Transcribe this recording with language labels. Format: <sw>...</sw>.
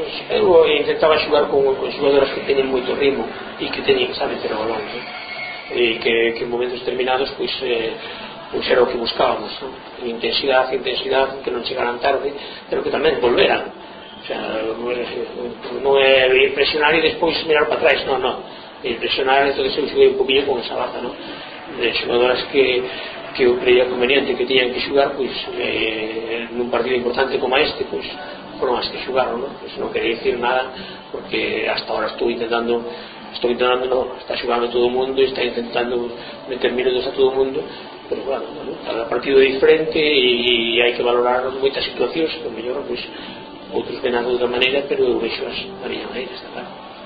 <gl>eu intentaba xugar con xugadoras que teñen moito ritmo e que teñen que saben ter o balón, ¿no? E que en momentos determinados pois era o que buscábamos, ¿no? intensidad, que non chegaran tarde, pero que tamén volveran, o sea, non é ir presionar e despois mirar para atrás, non ir presionar, entonces eu xuguei un poquinho con esa baza, ¿no? De xugadoras que eu creía conveniente que teñan que xugar pois nun partido importante como este, pois</gl> <es>fueron más que jugaron,</es> <gl>¿no?</gl> <es>Pues no quería decir nada, porque hasta ahora estoy intentando, no, está jugando todo el mundo y está intentando meter minutos a todo el mundo, pero bueno, cada partido es diferente y hay que valorar muchas situaciones, pero mejor pues otros ven de otra manera, pero de la misma manera, está claro.</es>